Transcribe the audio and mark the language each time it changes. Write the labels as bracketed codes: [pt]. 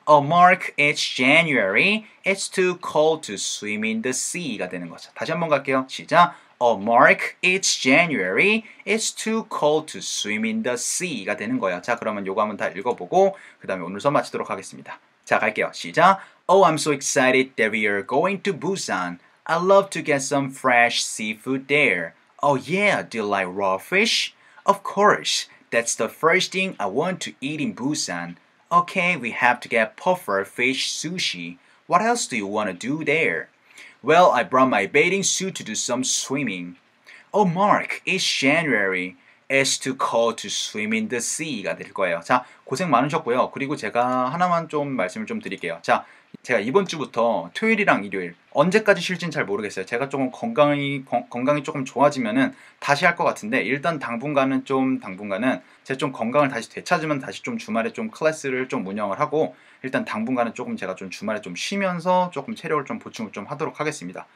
[en] A mark, it's January, it's too cold to swim in the sea가 [ko] 되는 거죠. 다시 한번 갈게요. 시작! [en] A mark, it's January, it's too cold to swim in the sea가 [ko] 되는 거예요. 자, 그러면 요거 한번 다 읽어보고 그 다음에 오늘 수업 마치도록 하겠습니다. 자, 갈게요. 시작! [en] Oh, I'm so excited that we are going to Busan. I love to get some fresh seafood there. Oh yeah, do you like raw fish? Of course, that's the first thing I want to eat in Busan. Okay, we have to get puffer fish sushi. What else do you want to do there? Well, I brought my bathing suit to do some swimming. Oh Mark, it's January. It's too cold to swim in the sea가 [ko] 될 거예요. 자, 고생 많으셨고요. 그리고 제가 하나만 좀 말씀을 좀 드릴게요. 자, 제가 이번 주부터 토요일이랑 일요일 언제까지 쉴진 잘 모르겠어요. 제가 조금 건강이 조금 좋아지면은 다시 할 것 같은데 일단 당분간은 제가 좀 건강을 다시 되찾으면 다시 좀 주말에 좀 클래스를 좀 운영을 하고 일단 당분간은 조금 제가 좀 주말에 좀 쉬면서 조금 체력을 좀 보충을 좀 하도록 하겠습니다.